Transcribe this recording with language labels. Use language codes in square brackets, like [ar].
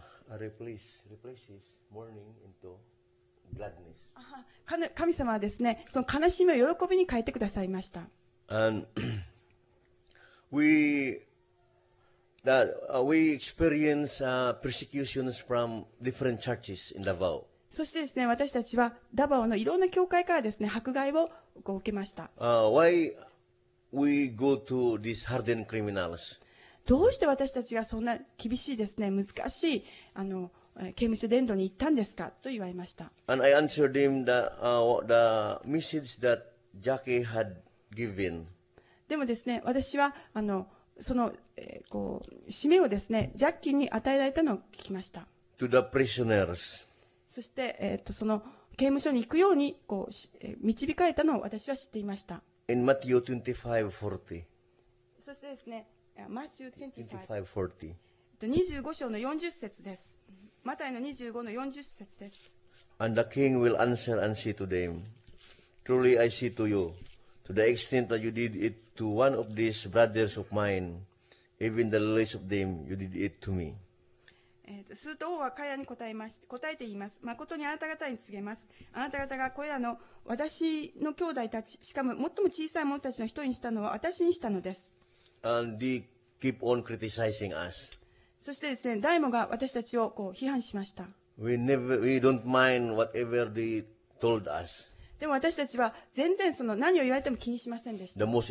[en] replaces replaces mourning into gladness. [ja] 神様はですね、その悲しみを喜びに変えてくださいました。 [en] And we experience persecutions from different churches in Davao. [ja] そしてですね、私たちはダバオのいろんな教会からですね、迫害を受けました。 [en] Why we go to these hardened criminals? [ja] どうして私たちがそんな厳しいですね、難しい刑務所伝道に行ったんですかと言われました。 [en] And I answered him the message that Jackie had given. [ja] でもですね、私はその、こう使命をですね、ジャッキーに与えられたのを聞きました。 [en] To the prisoners. [ja] そして、その刑務所に行くようにこう導かれたのを私は知っていました。 [en] In Matthew 25:40. [ja] そしてですね、 [en] Matthew [ja] 25章の40節です。マタイの25の40節です。 [en] And the king will answer and say to them, Truly I say to you, to the extent that you did it to one of these brothers of mine, even the least of them, you did it to me. [ja] すると王は彼らに答えて言います。誠にあなた方に告げます。あなた方がこれらの私の兄弟たち、しかも最も小さい者たちの人にしたのは私にしたのです。 [en] And they keep on criticizing us. [ja] そしてですね、誰もが私たちをこう批判しました。 [en] We don't mind whatever they told us. [ja] でも私たちは全然その何を言われても気にしませんでした。